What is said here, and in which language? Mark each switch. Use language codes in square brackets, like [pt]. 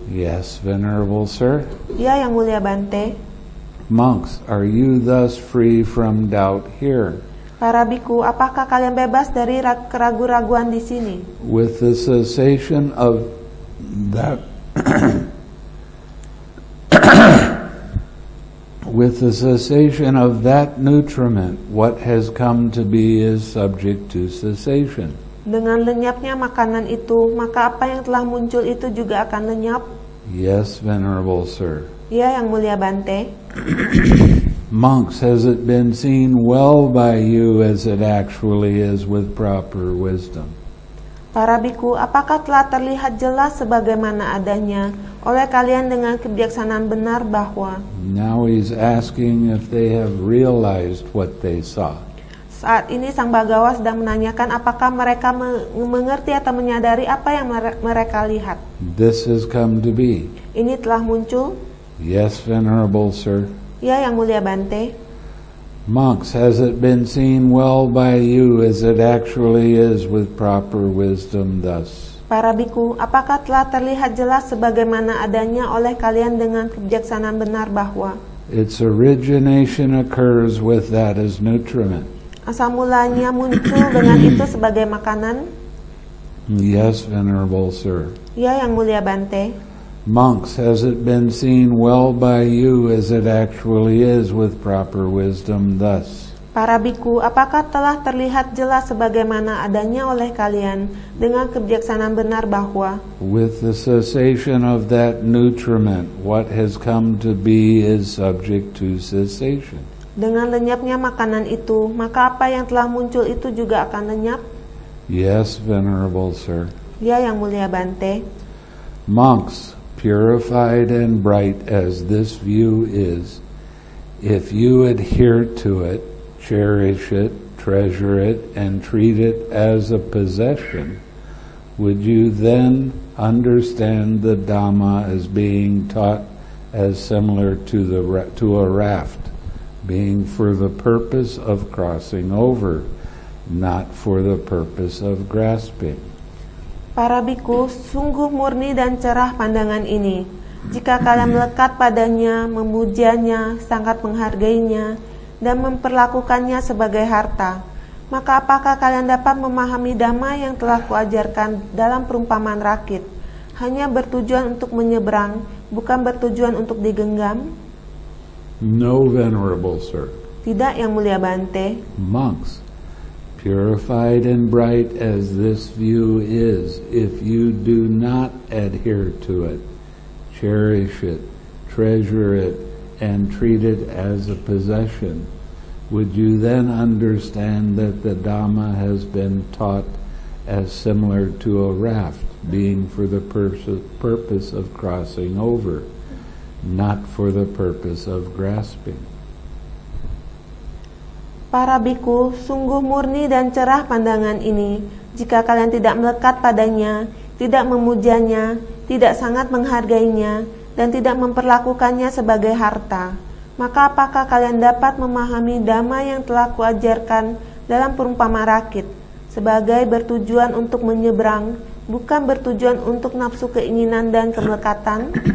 [en] Yes, venerable sir. [id] Ya, yang mulia Bante. [en] Monks, are you thus free from doubt here? [id] Para bhikkhu, apakah kalian bebas dari keraguan-raguan di sini? [en] With the cessation of that with the cessation of that nutriment, what has come to be is subject to cessation. [id] Dengan lenyapnya makanan itu, maka apa yang telah muncul itu juga akan lenyap. [en] Yes, venerable sir. [id] Ya, yang mulia Bante. [en] Monks, has it been seen well by you as it actually is with proper wisdom? [id] Para bhikkhu, apakah telah terlihat jelas sebagaimana adanya oleh kalian dengan kebijaksanaan benar bahwa? [en] Now he's asking if they have realized what they saw. [id] Saat ini Sang Bhagava sedang menanyakan apakah mereka mengerti atau menyadari apa yang mereka lihat. [en] This has come to be. [id] Ini telah muncul. [en] Yes, venerable sir. [id] Ya, yang mulia Bante. [en] Monks, has it been seen well by you as it actually is with proper wisdom thus? [id] Para bhikkhu, apakah telah terlihat jelas sebagaimana adanya oleh kalian dengan kebijaksanaan benar bahwa? [en] Its origination occurs with that as nutriment. [id] Asal mulanya muncul dengan itu sebagai makanan? [en] Yes, venerable sir. [id] Ya, yang mulia Bante. [en] Monks, has it been seen well by you as it actually is with proper wisdom thus? [id] Para bhikkhu, apakah telah terlihat jelas sebagaimana adanya oleh kalian dengan kebijaksanaan benar bahwa? [en] With the cessation of that nutriment, what has come to be is subject to cessation. [id] Dengan lenyapnya makanan itu, maka apa yang telah muncul itu juga akan lenyap? [en] Yes, venerable sir. [id] Ya, yang mulia Bante. [en] Monks, purified and bright as this view is, if you adhere to it, cherish it, treasure it, and treat it as a possession, would you then understand the Dhamma as being taught as similar to a raft, being for the purpose of crossing over, not for the purpose of grasping? [id] Para bhikkhu, sungguh murni dan cerah pandangan ini. Jika kalian melekat padanya, memujanya, sangat menghargainya, dan memperlakukannya sebagai harta, maka apakah kalian dapat memahami dhamma yang telah kuajarkan dalam perumpamaan rakit, hanya bertujuan untuk menyeberang, bukan bertujuan untuk digenggam? [en] No, venerable sir. [id] Tidak, yang mulia Bante. [en] Monks, purified and bright as this view is, if you do not adhere to it, cherish it, treasure it, and treat it as a possession, would you then understand that the Dhamma has been taught as similar to a raft, being for the purpose of crossing over, not for the purpose of grasping? [id] Para bhikkhu, sungguh murni dan cerah pandangan ini, jika kalian tidak melekat padanya, tidak memujanya, tidak sangat menghargainya, dan tidak memperlakukannya sebagai harta, maka apakah kalian dapat memahami dhamma yang telah kuajarkan dalam perumpamaan rakit, sebagai bertujuan untuk menyeberang, bukan bertujuan untuk nafsu keinginan dan kemelekatan?